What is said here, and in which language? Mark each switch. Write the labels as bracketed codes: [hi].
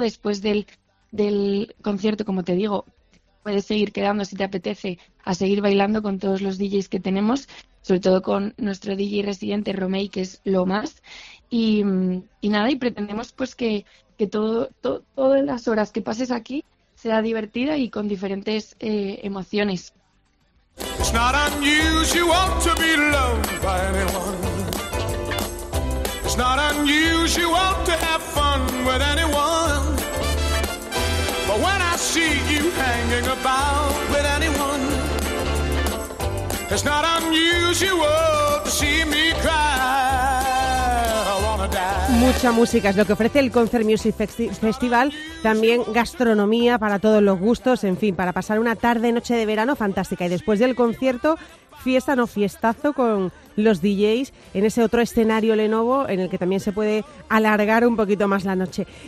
[es] Después del concierto, como te digo, puedes seguir quedando si te apetece a seguir bailando con todos los DJs que tenemos, sobre todo con nuestro DJ residente Romey, que es lo más. Y nada, y pretendemos pues que todas las horas que pases aquí sea divertida y con diferentes emociones. [en] It's not unusual to be loved by anyone. It's not unusual to have fun with anyone. But when I see you hanging about with anyone, it's not unusual to see me cry. [es] Mucha música es lo que ofrece el Concert Music Festival, también gastronomía para todos los gustos, en fin, para pasar una tarde noche de verano fantástica. Y después del concierto, fiesta, no, fiestazo con los DJs en ese otro escenario Lenovo en el que también se puede alargar un poquito más la noche.